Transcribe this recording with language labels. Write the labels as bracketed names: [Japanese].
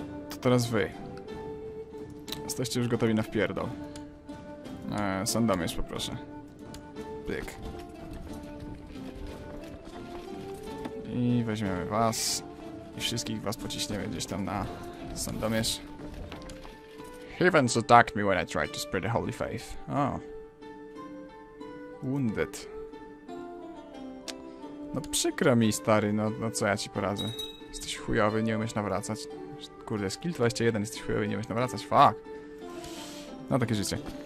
[Polish] To teraz wy. Jesteście już gotowi na wpierdol. Sandomierz, poproszę. Pyk. I weźmiemy was. I wszystkich was pociśniemy gdzieś tam na Sandomierz. [English] Heavens attacked me when I tried to spread the holy faith. Oh. Wounded. [Polish] No przykro mi, stary, no co ja ci poradzę. Jesteś chujowy, nie umiesz nawracać. Kurde, skill 21, jesteś chujowy, nie umiesz nawracać, fuck. No takie życie.